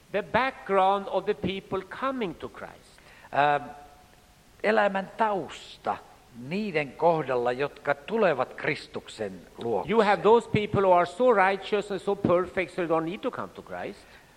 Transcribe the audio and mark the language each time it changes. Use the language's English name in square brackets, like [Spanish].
[English] The background of the people coming to Christ. [Finnish] elämän tausta niiden kohdalla, jotka tulevat Kristuksen luokse. [English] You have those people who are so righteous and so perfect, so they don't need to come to Christ.